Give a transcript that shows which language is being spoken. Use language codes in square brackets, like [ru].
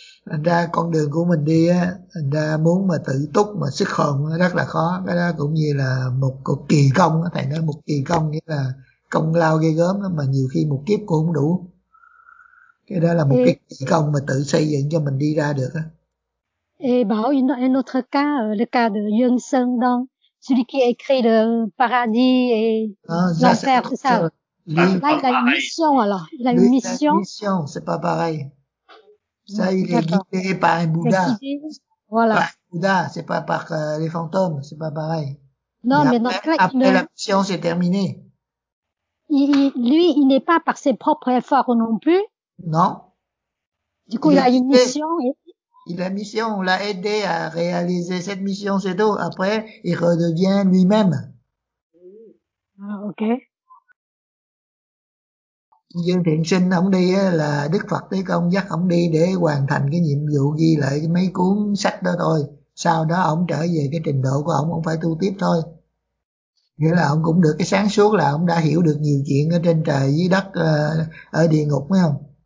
[vi] Thành ra con đường của mình đi á, thành ra muốn mà tự túc mà sức hồn rất là khó. Cái đó cũng như là một cuộc kỳ công á, thầy nói một kỳ công nghĩa là công lao ghê gớm đó, mà nhiều khi một kiếp cũng không đủ. Cái đó là một cái kỳ công mà tự xây dựng cho mình đi ra được á. [fr] Et bảo une autre cas, le cas de Jung Sơn Đông, celui qui écrit le paradis et l'enfer, c'est ça. Là il a une mission alors, il a une mission. Une mission, c'est pas pareil. Ça, il est guidé par un Bouddha. Voilà. Par un Bouddha, c'est pas par les fantômes, c'est pas pareil. Non, mais dans après, après la mission, c'est terminé. Lui, il n'est pas par ses propres efforts non plus. Non. Du coup, il a une mission. Il a une mission, on l'a aidé à réaliser cette mission, c'est tout. Après, il redevient lui-même. Ah, ok. [vi] Dương Thiện Sinh ổng đi là Đức Phật Tế Công dắt ổng đi để hoàn thành cái nhiệm vụ ghi lại mấy cuốn sách đó thôi. Sau đó ổng trở về cái trình độ của ổng phải tu tiếp thôi. Nghĩa là ổng cũng được cái sáng suốt là ổng đã hiểu được nhiều chuyện ở trên trời dưới đất ở địa ngục phải không?